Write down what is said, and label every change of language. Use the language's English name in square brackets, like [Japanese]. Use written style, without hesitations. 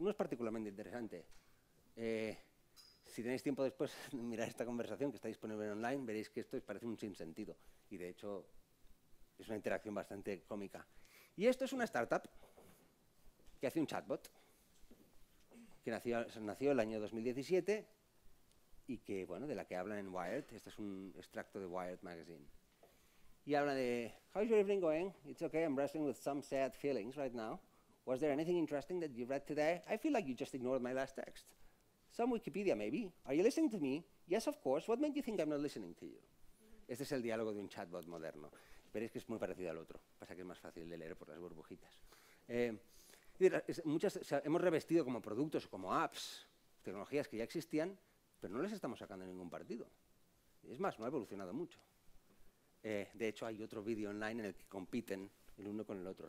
[Spanish] No es particularmente interesante. Si tenéis tiempo después de mirar esta conversación que está disponible online, veréis que esto parece un sinsentido. Y de hecho, es una interacción bastante cómica. Y esto es una startup que hace un chatbot, que nació el año 2017 y que, bueno, de la que hablan en Wired. Este es un extracto de Wired Magazine. Y habla de, [English] how is your evening going? It's okay, I'm wrestling with some sad feelings right now. Was there anything interesting that you read today? I feel like you just ignored my last text. Some Wikipedia, maybe. Are you listening to me? Yes, of course. What made you think I'm not listening to you? [Spanish] Este es el diálogo de un chatbot moderno. Veréis que es muy parecido al otro. Pasa que es más fácil de leer por las burbujitas. Hemos revestido como productos, como apps, tecnologías que ya existían, pero no les estamos sacando ningún partido. Es más, no ha evolucionado mucho. De hecho, hay otro vídeo online en el que compiten el uno con el otro.